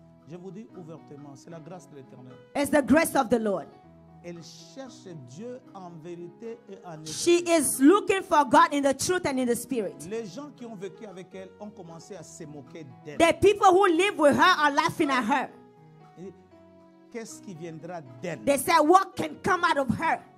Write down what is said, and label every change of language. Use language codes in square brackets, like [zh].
[fr] Je vous dis ouvertement, c'est la grâce de l'Éternel. [en] It's the grace of the Lord. [fr] Elle cherche Dieu en vérité et en esprit. [en] She is looking for God in the truth and in the spirit. [fr] Les gens qui ont vécu avec elle ont commencé à se moquer d'elle. [en] The people who live with her are laughing at her. [fr] Qu'est-ce qui viendra d'elle? [en] They say, what can come out of her?